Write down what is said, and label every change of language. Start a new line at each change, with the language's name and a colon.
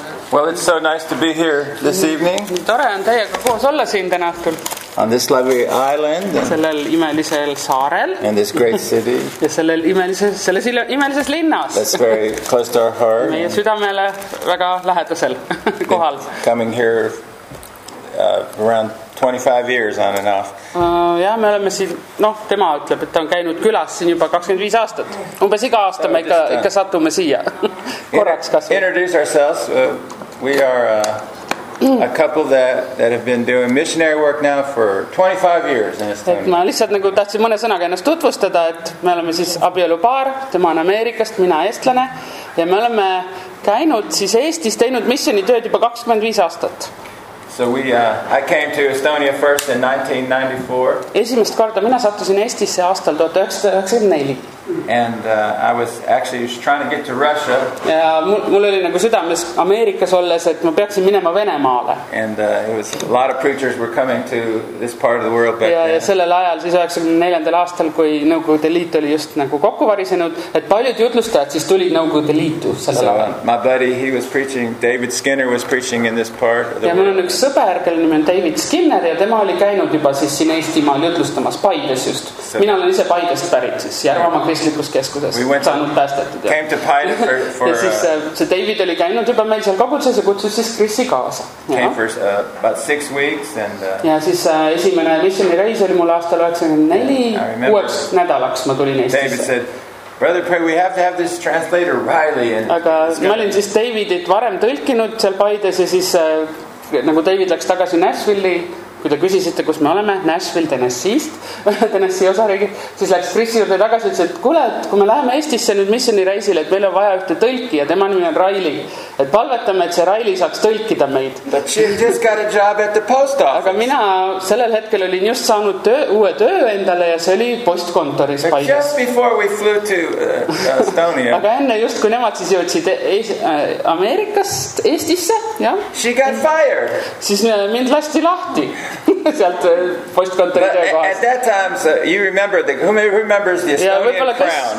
English: Well, it's so nice to be here this evening.
Estonian: Tore on teiega koos olla siin täna õhtul.
English: On this lovely island.
Estonian: Sellel imelisel saarel.
English: And this great city.
Estonian: Ja selles imelises linnas.
English: That's very close to our heart.
Estonian: Meie südamele väga lähedasel kohal.
English: Coming here around 25 years on and off.
Estonian: Ja me oleme siin, tema ütleb, et ta on käinud külas siin juba 25 aastat. Umbes iga aasta me ikka satume siia. Korraks kasvab.
English: Introduce ourselves. We are a couple that have been doing missionary work now for 25 years in Estonia.
Estonian: Et ma lihtsalt nagu tahtsin mõne sõnaga ennast tutvustada, et me oleme siis abielu paar, tema on Ameerikast, mina eestlane ja me oleme käinud siis Eestis teinud missioni tööd juba 25 aastat.
English: So I came to Estonia first in 1994.
Estonian: Esimest korda mina sattusin Eestisse aastal 1994.
English: And I was actually just trying to get to Russia.
Estonian: Ja mul oli nagu südames Ameerikas olles, et ma peaksin minema Venemaale.
English: And it was a lot of preachers were coming to this part of the world back then.
Estonian: Ja sellel ajal siis 94. aastal, kui Nõukogude Liit oli just nagu kokkuvarisenud, et paljud jutlustajad siis tulid Nõukogude Liitu sellel ajal.
English: My buddy, he was preaching, David Skinner was preaching in this part of the world.
Estonian: Sõber, kelle nimi on David Skinner ja tema oli käinud juba siis siin Eestimaal jutlustamas Paides just. Mina olen ise Paidest pärit siis Järvama kristlikus keskuses saanud päästetud.
English: Came to Paide for
Estonian: ja siis see David oli käinud juba meil seal koguduses ja kutsus siis Krissi kaasa.
English: Came for about 6 weeks and
Estonian: ja siis esimene missioni reis oli mul aastal 94 kuueks nädalaks ma tulin Eestisse.
English: David said, Brother Perry, we have to have this translator Riley.
Estonian: Aga ma olin siis Davidit varem tõlkinud seal Paides ja siis nagu David läks tagasi Nashville'i, kui ta küsisite, kus me oleme, Nashville, Tennesseest, Tennessee osariigi, siis läks Chris juurde tagasi, et kuule, et kui me läheme Eestisse nüüd missioni reisile, et meil on vaja ühte tõlki ja tema nimi on Riley, et palvetame, et see Riley saaks tõlkida meid.
English: But she just got a job at the post office.
Estonian: Aga mina sellel hetkel olin just saanud uue töö endale ja see oli postkontoris Paides.
English: Just before we flew to Estonia.
Estonian: Aga enne just, kui nemad siis jõudsid Ameerikast Eestisse, jah.
English: She got fired.
Estonian: Siis mind lasti lahti. Sealt postkontori
English: at that time, so you remember who remembers the Estonian crown?